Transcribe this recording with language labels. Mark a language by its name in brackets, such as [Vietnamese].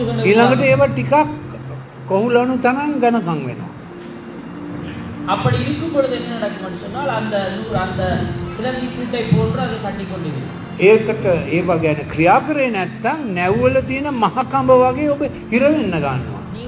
[Sinhala] ඊළඟට ඒවා ටිකක් කොහුලණු තනන් ගණකම් වෙනවා. [Tamil] அப்படி இருக்கும் பொழுது என்ன நடக்கும்னு சொன்னால் அந்த அந்த சிலந்தி கூட்டை போன்று அது கட்டி கொண்டிருக்கு. [Sinhala] ஏකට ඒවා ගැන ක්‍රියා කරේ නැත්තම් නැව්වල තියෙන මහ කඹ වගේ ඔබ හිර වෙන්න ගන්නවා.